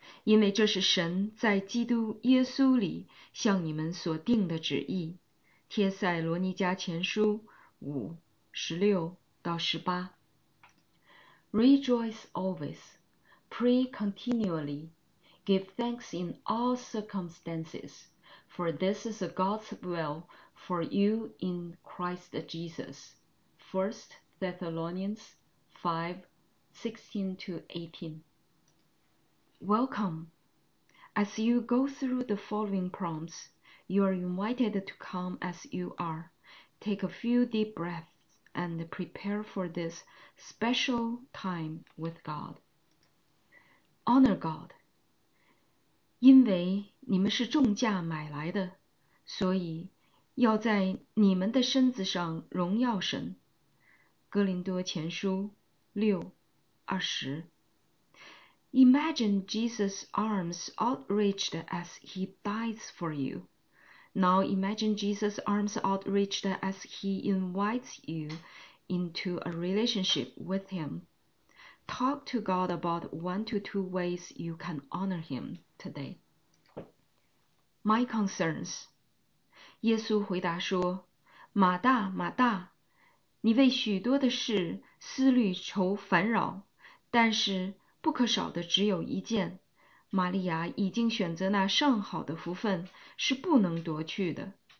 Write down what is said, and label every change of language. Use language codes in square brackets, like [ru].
[zh] 因为这是神在基督耶稣里向你们所定的旨意，帖撒罗尼迦前书5:16-18。 [en] Rejoice always, pray continually, give thanks in all circumstances, for this is God's will for you in Christ Jesus. 1 Thessalonians 5:16-18. Welcome. As you go through the following prompts, you are invited to come as you are. Take a few deep breaths and prepare for this special time with God. Honor God. [zh] 因为你们是重价买来的，所以要在你们的身子上荣耀神。哥林多前书6:20。 [en] Imagine Jesus' arms outreached as he dies for you. Now imagine Jesus' arms outreached as he invites you into a relationship with him. Talk to God about one to two ways you can honor him today. My concerns. [zh] 耶稣回答说，马大，马大，你为许多的事思虑愁烦扰，但是不可少的只有一件，玛利亚已经选择那上好的福分，是不能夺去的。